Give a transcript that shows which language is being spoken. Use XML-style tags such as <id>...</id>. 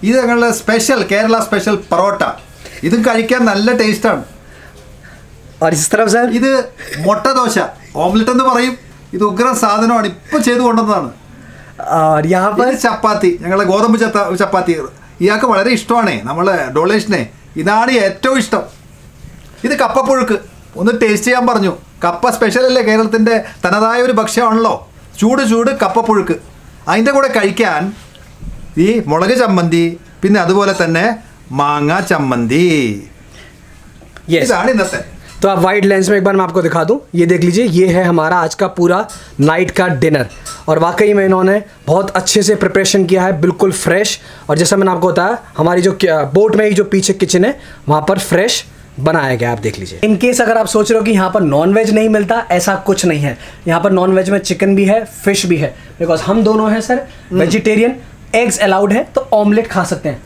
<hi>इधर special Kerala special parotta, इधर</hi> <ml>കഴിക്കാൻ നല്ല ടേസ്റ്റ് ആണ്।</ml> <hi>और इस तरफ सर</hi> <ml>ഇത് മുട്ട ദോശ ഓംലെറ്റ് എന്ന് പറയും, ഇത് ഉഗ്ര സാധനമാണ്, ഇപ്പ ചെയ്തു കൊണ്ടതാണ്।</ml> <hi>और यहां पर</hi> <ml>ചപ്പാത്തി, ഞങ്ങളെ ഗോതമ്പ് ചപ്പാത്തി, ഇയാൾക്ക് വളരെ ഇഷ്ടമാണ്, നമ്മളെ ഡോളേഷനെ ഇതാണ് ഏറ്റവും ഇഷ്ടം। ഇത് കപ്പപ്പുഴുക്ക് ഒന്ന് ടേസ്റ്റ് ചെയ്യാൻ പറഞ്ഞു, കപ്പ സ്പെഷ്യൽ അല്ലേ, കേരളത്തിന്റെ തനതായ ഒരു ഭക്ഷ്യമാണല്ലോ, ചൂട് ചൂട് കപ്പപ്പുഴുക്ക്, അതിൻ്റെ കൂടെ കഴിക്കാൻ ഈ മുളക് ചമ്മന്തി, പിന്നെ അതുപോലെ തന്നെ മാങ്ങ ചമ്മന്തി, ഇതാണ് ഇന്നത്തെ।</ml> <hi>तो आप वाइड लेंस में एक बार मैं आपको दिखा दूं, ये देख लीजिए, ये है हमारा आज का पूरा नाइट का डिनर, और वाकई में इन्होंने बहुत अच्छे से प्रिपरेशन किया है, बिल्कुल फ्रेश। और जैसा मैंने आपको बताया हमारी जो बोट में ही जो पीछे किचन है वहाँ पर फ्रेश बनाया गया, आप देख लीजिए। इन केस अगर आप सोच रहे हो कि यहाँ पर नॉन वेज नहीं मिलता, ऐसा कुछ नहीं है, यहाँ पर नॉन वेज में चिकन भी है, फिश भी है, बिकॉज हम दोनों हैं सर वेजिटेरियन, एग्स अलाउड है, तो ऑमलेट खा सकते हैं।</hi>